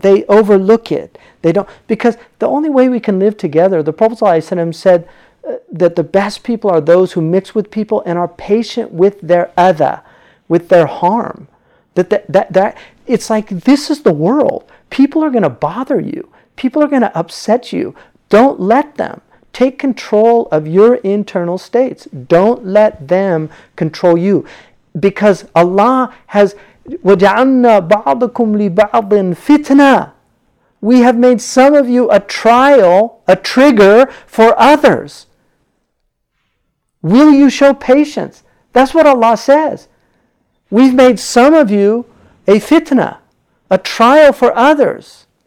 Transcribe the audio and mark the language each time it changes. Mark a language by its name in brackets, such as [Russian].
[English] They overlook it. They don't, because the only way we can live together, the Prophet ﷺ said that the best people are those who mix with people and are patient with their adha, with their harm. That it's like, this is the world. People are going to bother you. People are going to upset you. Don't let them. Take control of your internal states. Don't let them control you. Because Allah has, [Arabic] وَجَعَلْنَا بَعْضَكُمْ لِبَعْضٍ فِتْنَةً. [English] We have made some of you a trial, a trigger for others. Will you show patience? That's what Allah says. We've made some of you a fitna, a trial for others.